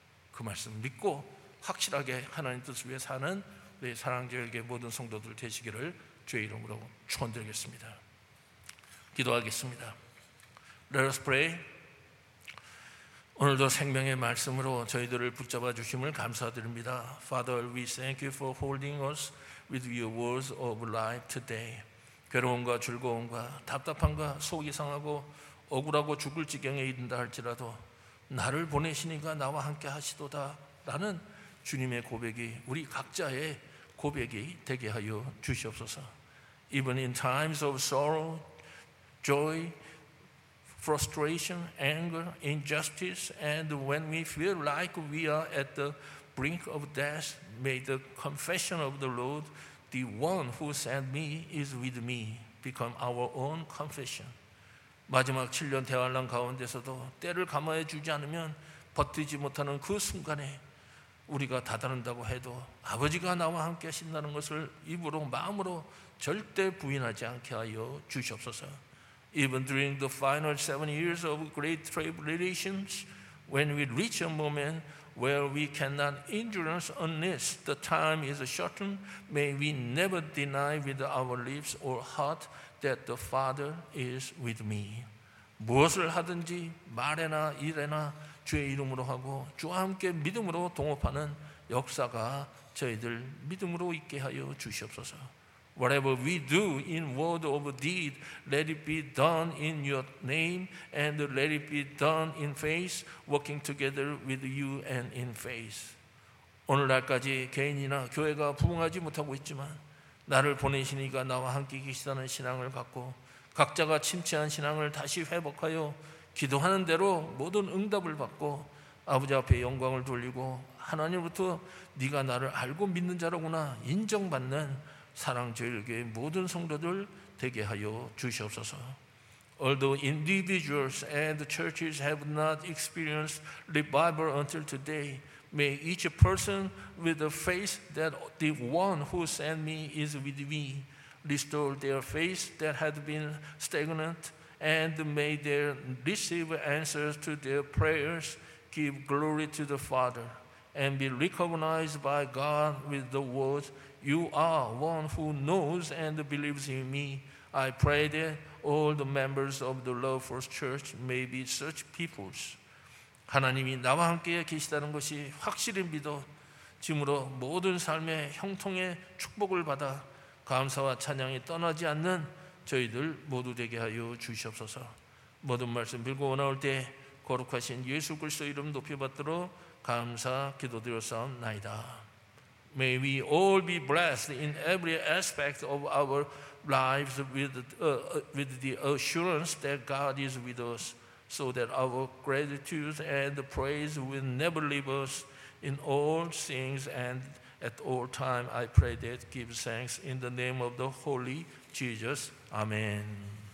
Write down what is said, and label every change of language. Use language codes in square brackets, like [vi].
[ko] 그 말씀 믿고 확실하게 하나님 뜻을 위해 사는 우리 사랑제일교회 모든 성도들 되시기를 주의 이름으로 축원드리겠습니다. 기도하겠습니다. [en] Let us pray. [ko] 오늘도 생명의 말씀으로 저희들을 붙잡아 주심을 감사드립니다. [en] Father, we thank you for holding us with your words of life today. [ko] 괴로움과 즐거움과 답답함과 속이 상하고 억울하고 죽을 지경에 이른다 할지라도 나를 보내시니가 나와 함께 하시도다 라는 주님의 고백이 우리 각자의 고백이 되게 하여 주시옵소서. [en] Even in times of sorrow, joy, frustration, anger, injustice, and when we feel like we are at the brink of death, may the confession of the Lord, the one who sent me is with me, become our own confession. [ko] 마지막 7년 대환란 가운데서도 때를 감아해 주지 않으면 버티지 못하는 그 순간에 우리가 다다른다고 해도 아버지가 나와 함께 하신다는 것을 입으로 마음으로 절대 부인하지 않게 하여 주시옵소서. [en] Even during the final 7 years of great tribulations, when we reach a moment where we cannot endure unless the time is shortened, may we never deny with our lips or heart that the Father is with me. [ko] 무엇을 하든지 말에나 일에나 주의 이름으로 하고 주와 함께 믿음으로 동업하는 역사가 저희들 믿음으로 있게 하여 주시옵소서. [en] Whatever we do in word or deed, let it be done in your name and let it be done in faith, working together with you and in faith. [ko] 오늘날까지 개인이나 교회가 부흥하지 못하고 있지만 나를 보내신 이가 나와 함께 계시다는 신앙을 갖고 각자가 침체한 신앙을 다시 회복하여 기도하는 대로 모든 응답을 받고 아버지 앞에 영광을 돌리고 하나님으로부터 네가 나를 알고 믿는 자로구나 인정받는 사랑제일교회의 모든 성도들 되게 하여 주시옵소서. [en] Although individuals and churches have not experienced revival until today, may each person with the faith that the one who sent me is with me restore their faith that had been stagnant and may they receive answers to their prayers, give glory to the Father, and be recognized by God with the words, You are one who knows and believes in me. I pray that all the members of the Love First Church may be such peoples. [ko] 하나님이 나와 함께 계시다는 것이 확실히 믿어 지금으로 모든 삶의 형통의 축복을 받아 감사와 찬양이 떠나지 않는 저희들 모두 되게 하여 주시옵소서. 모든 말씀 빌고 나올 때 거룩하신 예수 그리스도 이름 높여받들어 감사 기도드렸사옵나이다. [en] May we all be blessed in every aspect of our lives with the assurance that God is with us so that our gratitude and praise will never leave us in all things and at all time. I pray that give thanks in the name of the Holy Jesus. Amen.